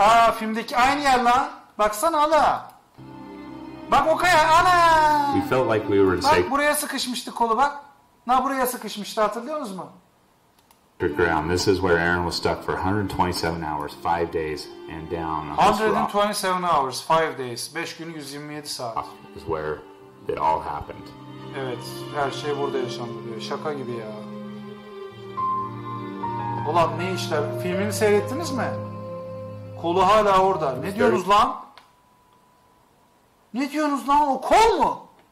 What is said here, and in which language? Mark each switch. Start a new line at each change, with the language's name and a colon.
Turkish: Aa filmdeki aynı yer lan. Baksana ana. Bak o kaya ana.
English: We felt like we were in
Turkish: bak buraya sıkışmıştı kolu bak. Na buraya sıkışmıştı hatırlıyor musun?
English: Ground. This is where Aaron was stuck for 127 hours, 5 days, and down. 127 hours, 5 days.
Turkish: 5 gün 127 saat.
English: This is where it all happened.
Turkish: Evet, her şey burada yaşandı diyor. Şaka gibi ya. Ulan ne işler? Filmini seyrettiniz mi? Kolu hala orada. Ne diyorsunuz lan? Ne diyorsunuz lan? O kol mu?